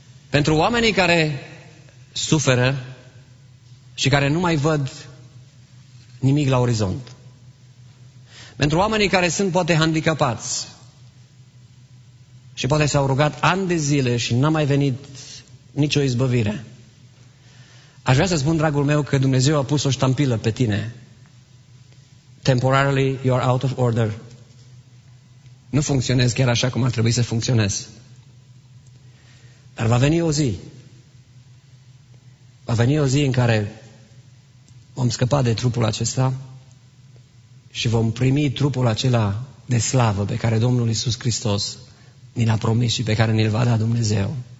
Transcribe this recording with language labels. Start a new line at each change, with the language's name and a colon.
Romanian: Pentru oamenii care suferă și care nu mai văd nimic la orizont, pentru oamenii care sunt poate handicapați și poate s-au rugat ani de zile și n-a mai venit nicio izbăvire, aș vrea să spun, dragul meu, că Dumnezeu a pus o ștampilă pe tine.
English: Temporarily, you are out of order.
Romanian: Nu funcționezi chiar așa cum ar trebui să funcționezi. Dar va veni o zi. Va veni o zi în care vom scăpa de trupul acesta și vom primi trupul acela de slavă pe care Domnul Iisus Hristos ni l-a promis și pe care ni-l va da Dumnezeu.